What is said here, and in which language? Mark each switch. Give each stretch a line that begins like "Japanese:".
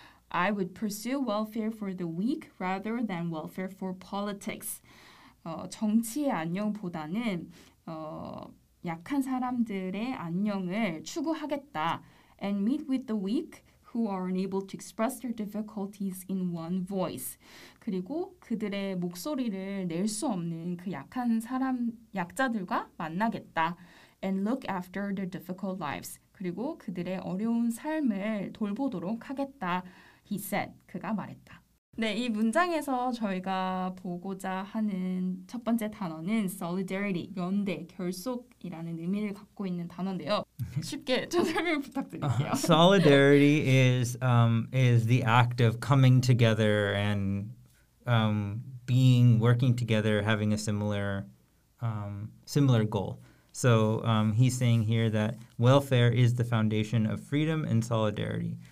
English: I would pursue welfare for the weak rather than welfare for politics.
Korean: 정치의 안녕보다는 약한 사람들의 안녕을 추구하겠다.
English: And meet with the weak who are unable to express their difficulties in one voice.
Korean: 그리고 그들의 목소리를 낼 수 없는 그 약한 사람, 약자들과 만나겠다.
English: And look after their difficult lives.
Korean: 그리고 그들의 어려운 삶을 돌보도록 하겠다.
English: He said,
Korean: 그가 말했다. 네, 이 문장에서 저희가 보고자 하는 첫 번째 단어는 solidarity, 연대, 결속이라는 의미를 갖고 있는 단어인데요. 쉽게 좀 설명 부탁드릴게요.
English: Solidarity is the act of coming together and working together, having a similar goal. So he's saying here that welfare is the foundation of freedom and solidarity.